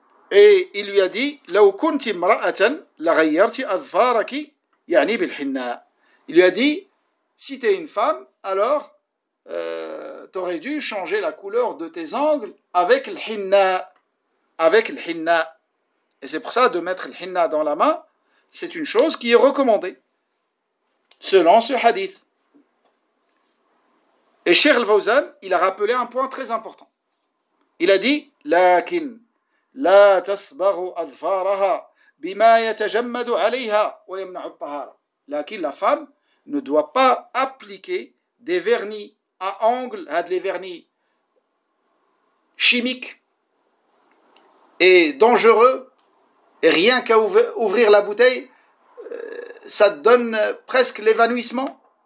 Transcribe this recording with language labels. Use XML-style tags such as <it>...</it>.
<fr>Et il lui a dit «</fr> <ar>لو كنت امرأة لغيرت أظفارك يعني بالحناء</ar> <fr>» Il lui a dit « Si tu es une femme, alors tu aurais dû changer la couleur de tes ongles avec l'hinna. » Avec l'hinna. Et c'est pour ça, de mettre l'hinna dans la main, c'est une chose qui est recommandée, selon ce hadith. Et Cheikh Al-Fawzan, il a rappelé un point très important. Il a dit</fr> <ar>« لكن » لا تصبغ أظفارها بما يتجمد عليها ويمنع الطهارة.</ar> <fr>لكن la femme ne doit pas appliquer des vernis à ongles, à des vernis chimiques et dangereux. Et rien qu'à ouvrir la bouteille, ça donne presque l'évanouissement.</fr>